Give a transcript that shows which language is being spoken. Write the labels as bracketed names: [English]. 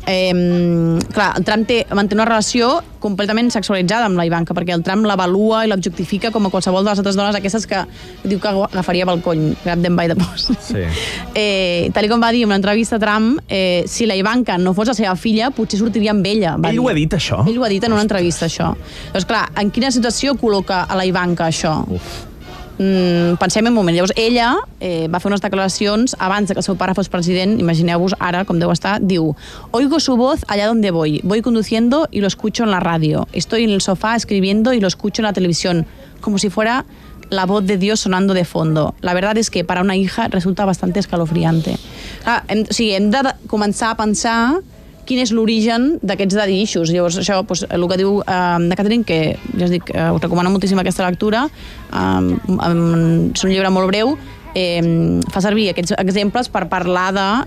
[Catalan] Clar, el Trump manté una relació completament sexualitzada amb la Ivanka, perquè el Trump l'avalua i l'objectifica com a qualsevol de les altres dones aquestes que diu que agafaria pel cony, [English] grab them by the post. [Catalan] Sí. Tal com va dir en una entrevista a Trump, si la Ivanka no fos la seva filla, potser sortiria amb ella. Ell ho ha dit, això? Ell ho ha dit en una entrevista, això. Doncs clar, en quina situació col·loca a la Ivanka això? Uf. Pensem un moment. Llavors, ella va fer unes declaracions abans que el seu pare fos president, imagineu-vos ara com deu estar, diu: [Spanish] oigo su voz allá donde voy, voy conduciendo y lo escucho en la radio, estoy en el sofá escribiendo y lo escucho en la televisión, como si fuera la voz de Dios sonando de fondo. La verdad es que para una hija resulta bastante escalofriante. [Catalan] Clar, hem de començar a pensar quin és l'origen d'aquests dadiixos. Llavors, això, doncs, el que diu de Catherine, que ja us dic, us recomano moltíssim aquesta lectura, és un llibre molt breu, fa servir aquests exemples per parlar de...